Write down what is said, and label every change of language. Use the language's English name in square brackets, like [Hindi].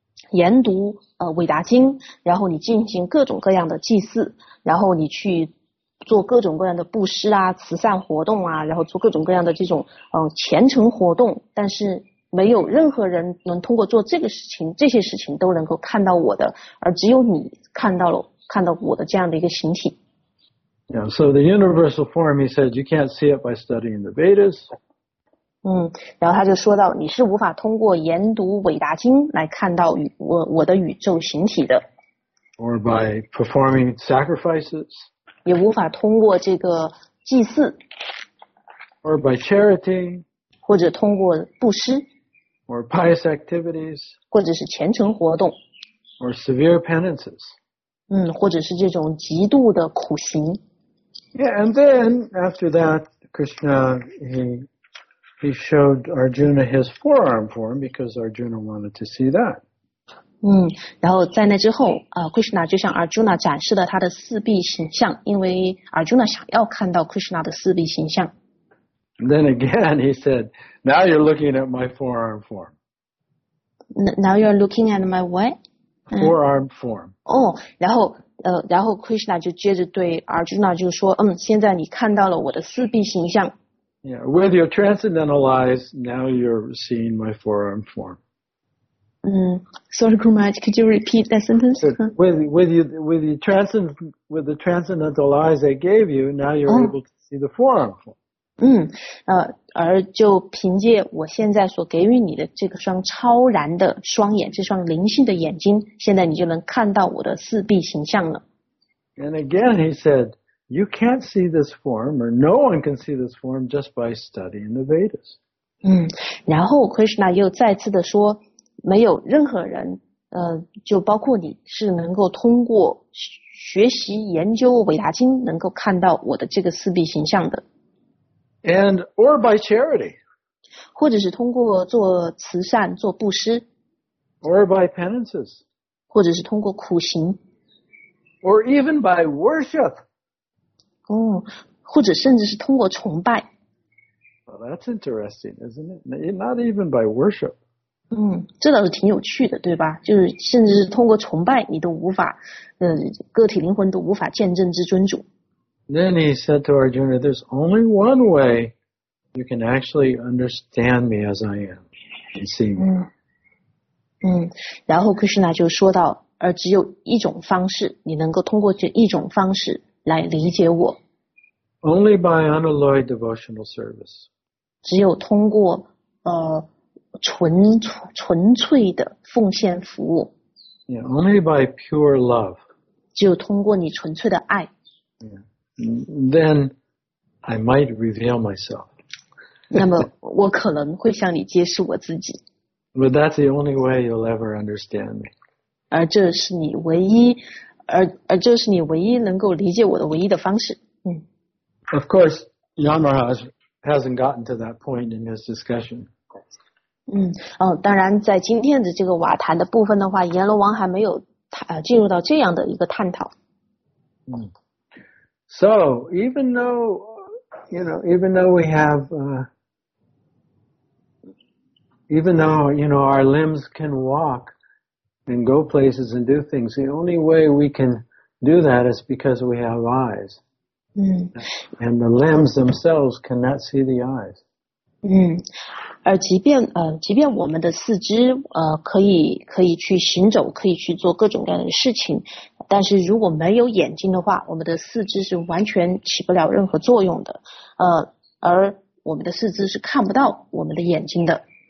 [Chinese] 研读伟达经，然后你进行各种各样的祭祀，然后你去做各种各样的布施啊、慈善活动啊，然后做各种各样的这种虔诚活动，但是没有任何人能通过做这个事情，这些事情都能够看到我的，而只有你看到我的这样的一个形体。 [English] Yeah, so the universal form, he said, you can't see it by studying the Vedas. [Chinese] 嗯，然后他就说到，你是无法通过研读伟达经来看到我的宇宙形体的。 [English] Or by performing sacrifices. [Chinese] 也无法通过这个祭祀。 [English] Or by charity. [Chinese] 或者通过布施。 [English] Or pious activities. [Chinese] 或者是虔诚活动。 [English] Or severe penances. [Chinese] 嗯，或者是这种极度的苦行。 [English] Yeah, and then after that, Krishna, he showed Arjuna his forearm form because Arjuna wanted to see that. [Chinese] 嗯，然后在那之后，Krishna 就向 Arjuna 展示了他的四臂形象，因为 Arjuna 想要看到 Krishna 的四臂形象。 [English] And then again, he said, "Now you're looking at my forearm form." Now you're looking at my what? Forearm form. [Chinese] 哦，然后 Krishna 就接着对 Arjuna 就说，嗯，现在你看到了我的四臂形象。 [English] Yeah, with your transcendental eyes, now you're seeing my forearm form. Sorry, Guru Maharaj, could you repeat that sentence? With the transcendental eyes I gave you, now you're able to see the forearm form. [Chinese] 而就凭借我现在所给予你的这个双超然的双眼，这双灵性的眼睛，现在你就能看到我的四臂形象了。 [English] And again, he said,You can't see this form, or no one can see this form, just by studying the Vedas. [Chinese] 嗯，然后 Krishna 又再次的说，没有任何人，就包括你是能够通过学习研究伟达经，能够看到我的这个四臂形象的。 [English] And or by charity. [Chinese] 或者是通过做慈善、做布施。 [English] Or by penances. [Chinese] 或者是通过苦行。 [English] Or even by worship. [Chinese] 或者甚至是通过崇拜。 [English] Well, that's interesting, isn't it? Not even by worship. [Chinese] 这倒是挺有趣的，对吧？就是甚至是通过崇拜，你都无法，个体灵魂都无法见证至尊主。 [English] Then he said to Arjuna, "There's only one way you can actually understand me as I am and see me." [Chinese] 然后 Krishna 就说到，而只有一种方式，你能够通过这一种方式。来理解我。 [English] Only by unalloyed devotional service. [Chinese] 只有通过纯粹的奉献服务。 [English] Yeah, only by pure love. [Chinese] 只有通过你纯粹的爱。 [English] Yeah. Then I might reveal myself. [Chinese] 那么我可能会向你揭示我自己。 [English] But that's the only way you'll ever understand me. [Chinese] 而这是你唯一。而这是你唯一能够理解我的唯一的方式。 [English] Of course, Yamaraj hasn't gotten to that point in his discussion. [Chinese] 当然在今天的这个瓦谈的部分的话，阎罗王还没有进入到这样的一个探讨。 [English] So, even though, you know, even though we have, even though, you know, our limbs can walk,and go places and do things. The only way we can do that is because we have eyes. And the limbs themselves cannot see the eyes. [Chinese] 而即便我们的四肢可以去行走，可以去做各种各样的事情，但是如果没有眼睛的话，我们的四肢是完全起不了任何作用的。而我们的四肢是看不到我们的眼睛的。